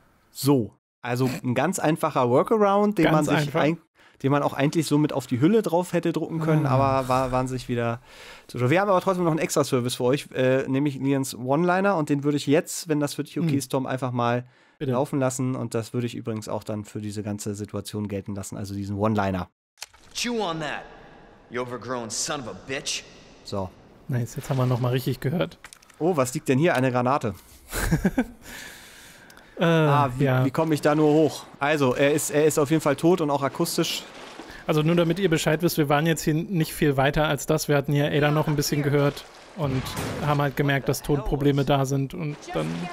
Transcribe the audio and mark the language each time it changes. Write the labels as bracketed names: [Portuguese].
[German] So, also ein ganz einfacher Workaround, den man auch eigentlich so mit auf die Hülle drauf hätte drucken können, aber war wahnsinnig wieder zu schwer. Wir haben aber trotzdem noch einen extra Service für euch, nämlich Nians One-Liner und den würde ich jetzt, wenn das für dich okay ist, Tom, einfach mal laufen lassen und das würde ich übrigens auch dann für diese ganze Situation gelten lassen, also diesen One-Liner. [English] Chew on that, you overgrown son of a bitch. So. [German] Nice, jetzt haben wir nochmal richtig gehört. Oh, was liegt denn hier? Eine Granate. wie komme ich da nur hoch? Also, er ist auf jeden Fall tot und auch akustisch Also nur damit ihr Bescheid wisst, wir waren jetzt hier nicht viel weiter als das. Wir hatten hier Ada noch ein bisschen gehört und haben halt gemerkt, dass Tonprobleme da sind und dann...